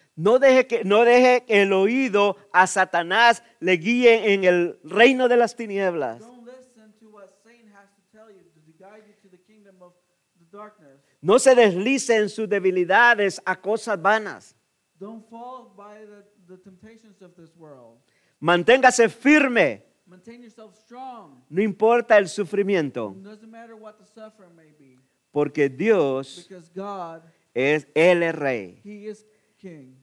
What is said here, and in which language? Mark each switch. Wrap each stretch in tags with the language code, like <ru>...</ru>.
<es>No deje que el oído a Satanás le guíe en el reino de las tinieblas.</es> <en>Don't listen to what Satan has to tell you to guide you to the kingdom of the darkness.</en> <es>No se deslice en sus debilidades a cosas vanas.</es> <en>Don't fall by the temptations of this world.</en> <es>Manténgase firme.</es> <en>Maintain yourself strong.</en> <es>No importa el sufrimiento.</es> <en>It doesn't matter what the suffering may be.</en> <es>Porque Dios,</es> <en>because God,</en> <es>es Él es rey.</es> <en>He is king.</en>